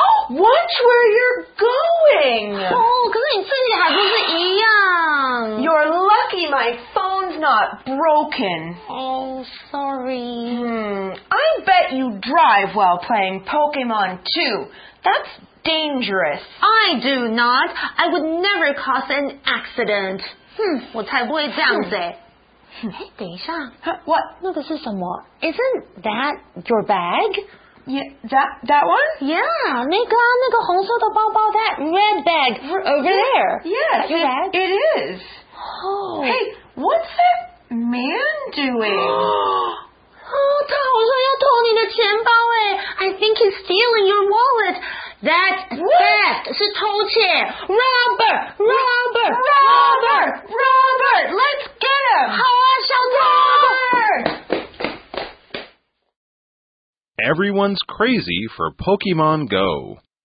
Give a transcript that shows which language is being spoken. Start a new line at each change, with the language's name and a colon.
English: Watch where you're going!
Chinese: Oh, 可是你自己还不是一样。
English: You're lucky my phone's not broken. Oh, sorry. I bet you drive while playing Pokemon too. That's dangerous. I do not. I would never cause an accident.
Chinese: 我才不会这样子。等一下。
English: What?
Chinese: 那个是什么?
English: Isn't that your bag? Yeah, that one?
Chinese: Yeah, 那个啊那个红色的包包
English: that red bag over there. Yes, it is. Oh. Hey, what's that man doing?
Chinese: Oh, 他好像要偷你的钱包耶。
English: I think he's stealing your wallet. That theft
Chinese: 是偷窃。
English: Robber! Robber! Robber! Robber! Let's get him!
Chinese: 好啊小偷。
English: Everyone's crazy for Pokemon Go.